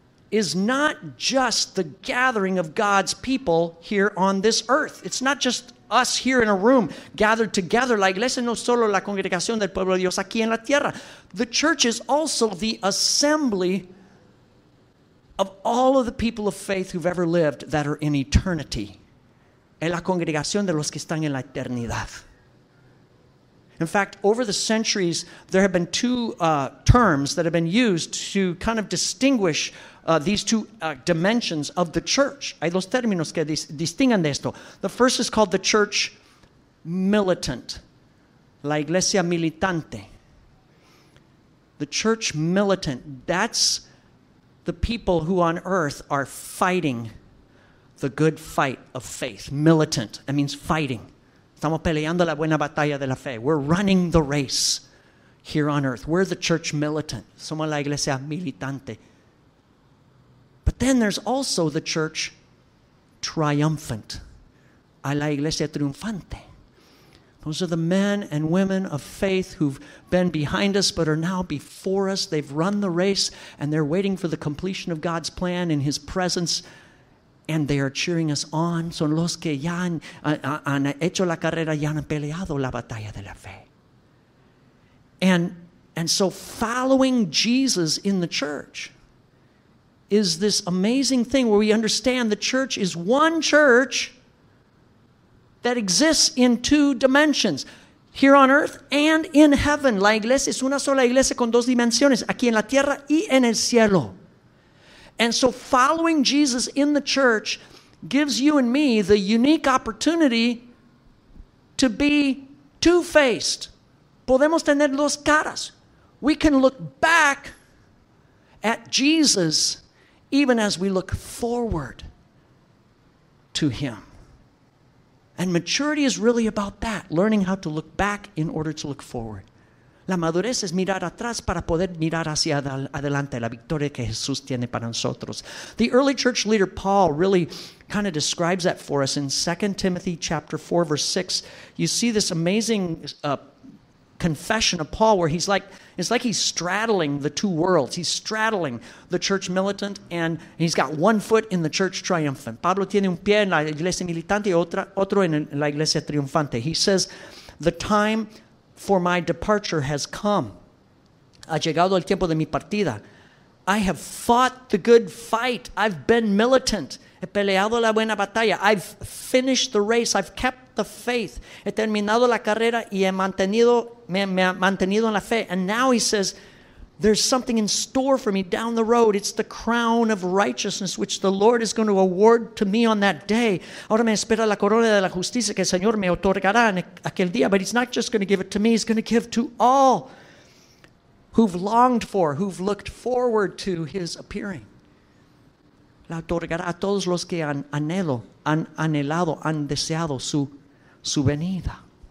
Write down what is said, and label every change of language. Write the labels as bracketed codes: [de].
[en] is not just the gathering of God's people here on this earth. It's not just us here in a room gathered together. [es] La iglesia no solo la congregación del pueblo de Dios aquí en la tierra. [en] The church is also the assembly of all of the people of faith who've ever lived that are in eternity. [es] Es la congregación de los que están en la eternidad. [en] In fact, over the centuries, there have been two terms that have been used to kind of distinguish these two dimensions of the church. [es] Hay dos términos que distingan de esto. [en] The first is called the church militant, [es] la iglesia militante. [en] The church militant, that's the people who on earth are fighting the good fight of faith. Militant, that means fighting. [es] Estamos peleando la buena batalla de la fe. [en] We're running the race here on earth. We're the church militant. [es] Somos la iglesia militante. [en] But then there's also the church triumphant. [es] A la iglesia triunfante. [en] Those are the men and women of faith who've been behind us but are now before us. They've run the race and they're waiting for the completion of God's plan in His presence. And they are cheering us on. [es] Son los que ya han hecho la carrera, ya han peleado la batalla de la fe. [en] And so following Jesus in the church is this amazing thing where we understand the church is one church that exists in two dimensions, here on earth and in heaven. [es] La iglesia es una sola iglesia con dos dimensiones, aquí en la tierra y en el cielo. [en] And so following Jesus in the church gives you and me the unique opportunity to be two-faced. [es] Podemos tener dos caras. [en] We can look back at Jesus even as we look forward to Him. And maturity is really about that, learning how to look back in order to look forward. [es] La madurez es mirar atrás para poder mirar hacia adelante, la victoria que Jesús tiene para nosotros. [en] The early church leader Paul really kind of describes that for us in 2 Timothy chapter 4, verse 6. You see this amazing confession of Paul where he's like, it's like he's straddling the two worlds. He's straddling the church militant and he's got one foot in the church triumphant. [es] Pablo tiene un pie en la iglesia militante y otro en la iglesia triunfante. [en] He says, the time for my departure has come. [es] Ha llegado el tiempo de mi partida. [en] I have fought the good fight. I've been militant. [es] He peleado la buena batalla. [en] I've finished the race. I've kept the faith. [es] He terminado la carrera y me ha mantenido en la fe. [en] And now he says, there's something in store for me down the road. It's the crown of righteousness which the Lord is going to award to me on that day. [es] Ahora me espera la corona de la justicia que el Señor me otorgará en aquel día. [en] But He's not just going to give it to me. He's going to give to all who've longed for, who've looked forward to His appearing. [es] La otorgará a todos los que han anhelado, han deseado su venida.